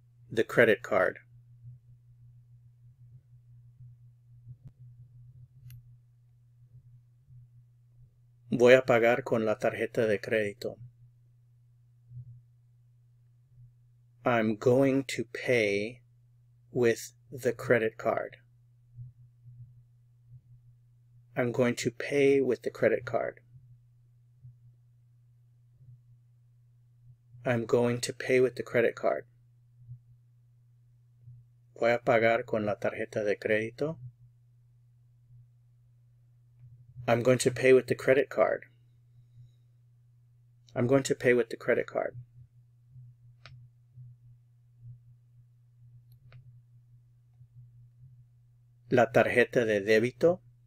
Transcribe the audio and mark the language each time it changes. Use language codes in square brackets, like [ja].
[en] The credit card. [es] Voy a pagar con la tarjeta de crédito. [en] I'm going to pay with the credit card. I'm going to pay with the credit card. I'm going to pay with the credit card. [es] Voy a pagar con la tarjeta de crédito. [en] I'm going to pay with the credit card. I'm going to pay with the credit card. [es] La tarjeta de débito.